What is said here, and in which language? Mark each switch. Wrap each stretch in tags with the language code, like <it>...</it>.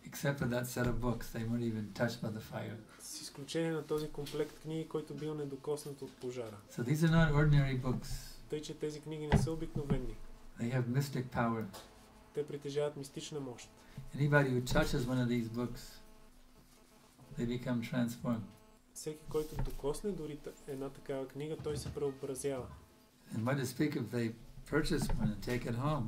<en>Except for that set of books, they weren't even touched by the fire.</en> <bg>С изключение на този комплект книги, който бил недокоснат от пожара.</bg> <en>So these are not ordinary books.</en> <bg>Тъй, че тези книги не са обикновени.</bg> <en>They have mystic power.</en> <bg>Те притежават мистична мощ.</bg> <en>Anybody who touches one of these books, they become transformed.</en> <bg>Всеки, който докосне дори една такава книга, той се преобразява.</bg> <en>And what to speak if they purchase one and take it home?</en>